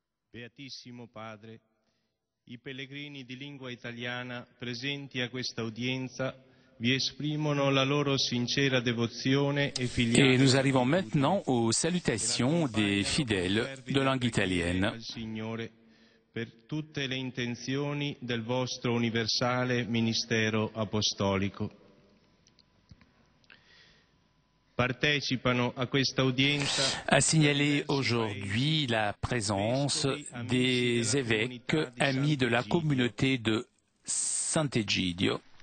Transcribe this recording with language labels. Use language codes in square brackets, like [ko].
[it] Beatissimo Padre, i pellegrini di lingua italiana presenti a questa udienza vi esprimono la loro sincera devozione e filiale. [fr] Et nous arrivons maintenant aux salutations des fidèles de langue italienne. [it] Signore, per tutte le intenzioni del vostro universale ministero apostolico. Participano a questa udienza. [fr] A signaler aujourd'hui la présence des évêques amis de la communauté de Sant'Egidio.